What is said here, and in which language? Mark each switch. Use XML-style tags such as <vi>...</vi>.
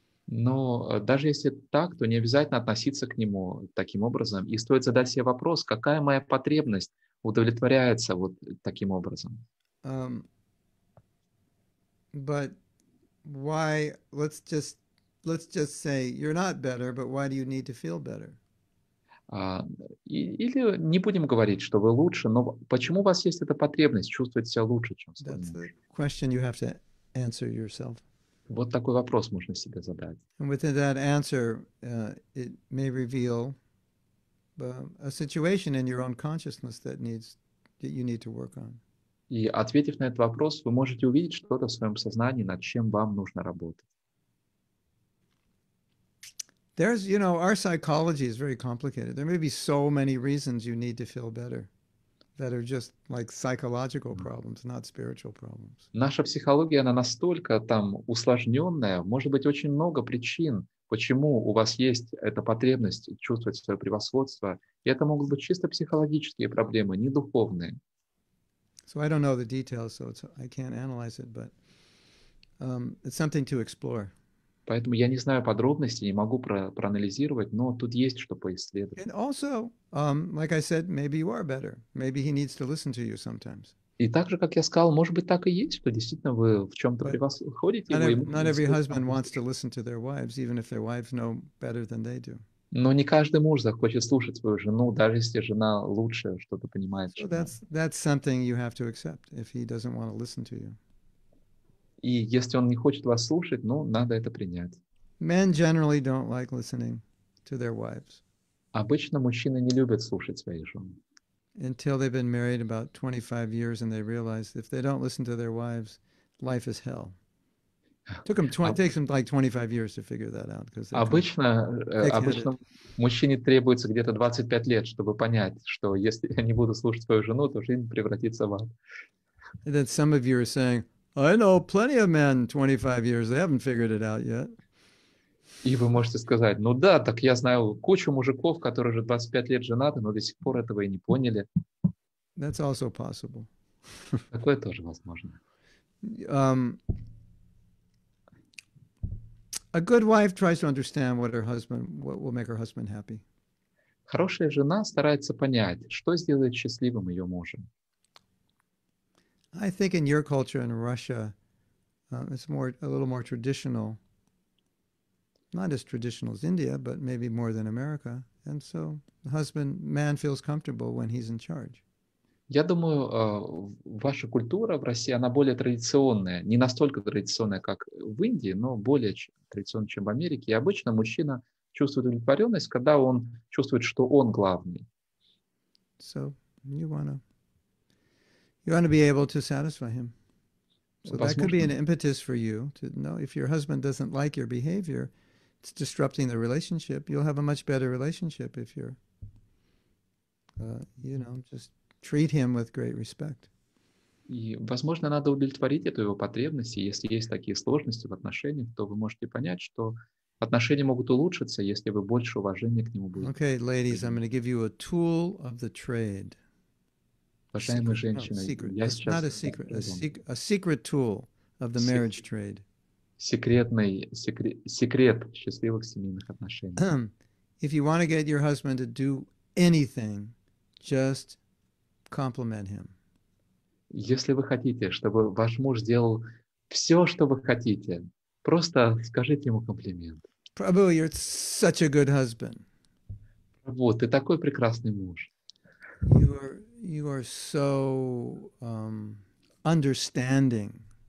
<ru>Но даже если так, то не обязательно относиться к нему таким образом. И стоит задать себе вопрос, какая моя потребность удовлетворяется вот таким образом.</ru> <en>But why, let's just say, you're not better, but why do you need to feel better?</en> <ru>Или не будем говорить, что вы лучше, но почему у вас есть эта потребность чувствовать себя лучше, чем своим мужем?</ru> <en>That's the question you have to answer yourself.</en> <ru>Вот такой вопрос можно себе задать.</ru> <en>And within that answer, it may reveal a situation in your own consciousness that you need to work on.</en> <ru>И ответив на этот вопрос, вы можете увидеть что-то в своем сознании, над чем вам нужно работать.</ru> <en>There's, you know, our psychology is very complicated. There may be so many reasons you need to feel better. That are just like psychological problems, not spiritual problems.</en> <ru>Наша психология, она настолько там усложненная, может быть, очень много причин, почему у вас есть эта потребность чувствовать свое превосходство. И это могут быть чисто психологические проблемы, не духовные.</ru> <en>So I don't know the details, so I can't analyze it, but it's something to explore.</en> <ru>Поэтому я не знаю подробностей, не могу проанализировать, но тут есть что поисследовать.</ru> <en>And also, like I said, maybe you are better. Maybe he needs to listen to you sometimes.</en> <ru>И так же, как я сказал, может быть, так и есть, что действительно вы в чем-то превосходите.</ru> <en>Not every husband wants to listen to their wives, even if their wives know better than they do.</en> <ru>Но не каждый муж захочет слушать свою жену, даже если жена лучше что-то понимает.</ru> <en>So that's something you have to accept if he doesn't want to listen to you.</en> <ru>И если он не хочет вас слушать, ну, надо это принять.</ru> <en>Men generally don't like listening to their wives.</en> <ru>Обычно мужчины не любят слушать своих жен.</ru> <en>Until they've been married about 25 years and they realize if they don't listen to their wives, life is hell. Took them takes them like 25 years to figure that out.</en> <ru>Обычно мужчине требуется где-то 25 лет, чтобы понять, что если я не буду слушать свою жену, то жизнь превратится в ад.</ru> <en>And then some of you are saying, I know plenty of men 25 years, they haven't figured it out yet.</en> <ru>И вы можете сказать, ну да, так я знаю кучу мужиков, которые уже 25 лет женаты, но до сих пор этого и не поняли.</ru> <en>That's also possible.</en> <ru>Такое тоже возможно.</ru> <en>A good wife tries to understand what her husband, what will make her husband happy.</en> <ru>Хорошая жена старается понять, что сделает счастливым ее мужа.</ru> <en>I think in your culture in Russia, it's more a little more traditional. Not as traditional as India, but maybe more than America. And so the husband, man feels comfortable when he's in charge.</en> <ru>Я думаю, ваша культура в России, она более традиционная. Не настолько традиционная, как в Индии, но более традиционная, чем в Америке. И обычно мужчина чувствует удовлетворенность, когда он чувствует, что он главный.</ru> <en>So you wanna be able to satisfy him. So</en> <ru>возможно,</ru> <en>that could be an impetus for you to know if your husband doesn't like your behavior, it's disrupting the relationship. You'll have a much better relationship if you're, just treat him with great respect.</en> <ru>И, возможно, надо удовлетворить эту его потребность, и если есть такие сложности в отношениях, то вы можете понять, что отношения могут улучшиться, если вы больше уважения к нему будете.</ru> <en>Okay, ladies, I'm going to give you a tool of the trade.</en> <ru>Уважаемые женщины,</ru> <en>a secret tool of the marriage trade.</en> <ru>Секрет счастливых семейных отношений.</ru> <en>If you want to get your husband to do anything, just compliment him.</en> <ru>Если вы хотите, чтобы ваш муж сделал все, что вы хотите, просто скажите ему комплимент.</ru> <en>Prabhu, you're such a good husband.</en> <ru>Прабу, ты такой прекрасный муж.</ru> <en>You are so understanding.</en>